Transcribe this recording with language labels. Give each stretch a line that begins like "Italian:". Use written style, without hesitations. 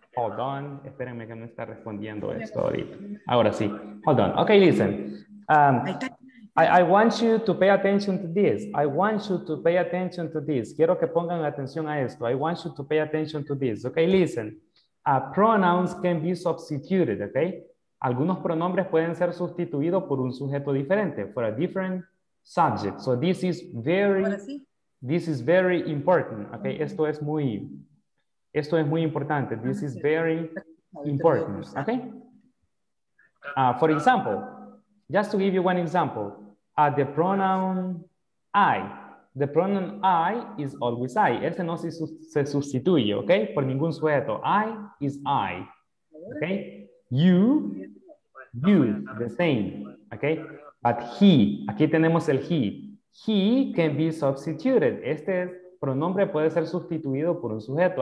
English: Hold on,
Spanish: espérenme que no está respondiendo esto ahorita. Ahora sí.
English: Hold on. Okay, listen. I want you to pay attention to this. I want you to pay attention to this.
Spanish: Quiero que pongan atención a esto.
English: I want you to pay attention to this. Okay, listen. Pronouns can be substituted, okay?
Spanish: Algunos pronombres pueden ser sustituidos por un sujeto diferente,
English: for a different subject. So this is very, important. Okay, mm-hmm.
Spanish: esto es muy importante.
English: This is very important. Okay. For example, just to give you one example, the pronoun I. The pronoun I is always I.
Spanish: Ese no se sustituye, okay, por ningún sujeto.
English: I is I. Okay. You, the same, okay? But he,
Spanish: aquí tenemos el
English: he. He can be substituted.
Spanish: Este pronombre puede ser sustituido por un sujeto.